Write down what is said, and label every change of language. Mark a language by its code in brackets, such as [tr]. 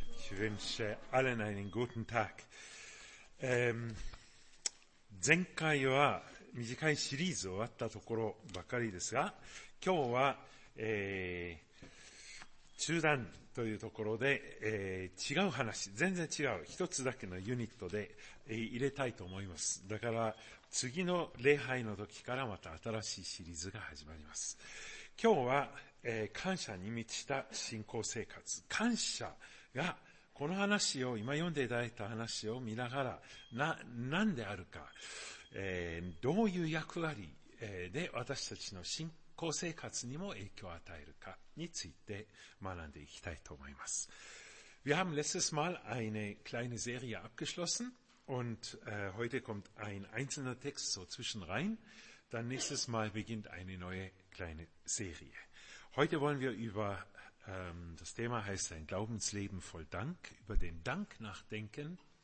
[de] Ich wünsche allen einen guten Tag. [ja] 前回は短いシリーズ終わったところばかりですが、今日は、中断というところで、違う話、全然違う一つだけのユニットで、入れたいと思います。だから次の礼拝の時からまた新しいシリーズが始まります。今日は感謝に満ちた信仰生活、感謝がこの話を今読んでいただいた話を見ながら何であるか、どういう役割で私たちの信仰生活にも影響を与えるかについて学んでいきたいと思います。 [de] Wir haben letztes Mal eine kleine Serie abgeschlossen und heute kommt ein einzelner Text so zwischenrein, dann nächstes Mal beginnt eine neue kleine Serie. Heute wollen wir über, das Thema heißt ein Glaubensleben voll Dank, über den Dank nachdenken.